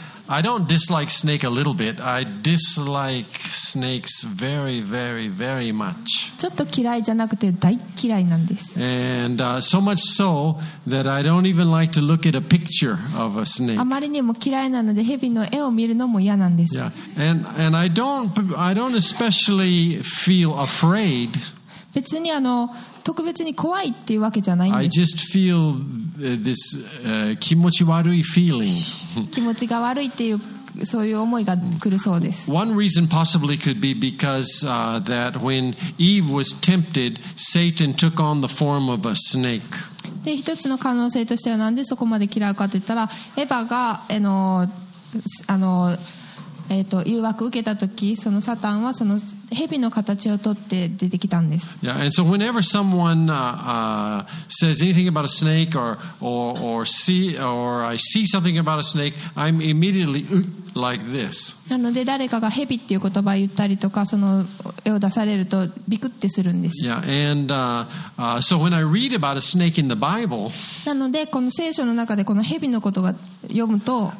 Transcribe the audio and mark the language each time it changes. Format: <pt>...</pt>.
<en>I don't dislike snake a little bit. I dislike snakes very, very, very much.</en> <ja>ちょっと嫌いじゃなくて大嫌いなんです。</ja> <en>And so much so that I don't even like to look at a picture of a snake.</en> <ja>あまりにも嫌いなので蛇の絵を見るのも嫌なんです。</ja> <en>Yeah. And I don't especially feel afraid.</en> <ja>別に特別に怖いっていうわけじゃないんです。</ja> <en>I just feel this,</en> <ja>気持ち悪い</ja> <en>feeling.</en> <ja>気持ちが悪いっていうそういう思いが来るそうです。</ja> <en>One reason possibly could be because that when Eve was tempted, Satan took on the form of a snake.</en> <ja>で、一つの可能性としてはなんでそこまで嫌うかって言ったら、エヴァが誘惑を受けた時、そのサタンはその蛇の形を取って出てきたんです。</ja> <en>Yeah, and so whenever someone says anything about a snake I see something about a snake, I'm immediately like this.</en> <ja>なので誰かが蛇っていう言葉を言ったりとか、その絵を出されるとビクってするんです。</ja> <en>Yeah, and so when I read about a snake in the Bible,</en> <ja>なのでこの聖書の中でこの蛇のことが読むと、</ja>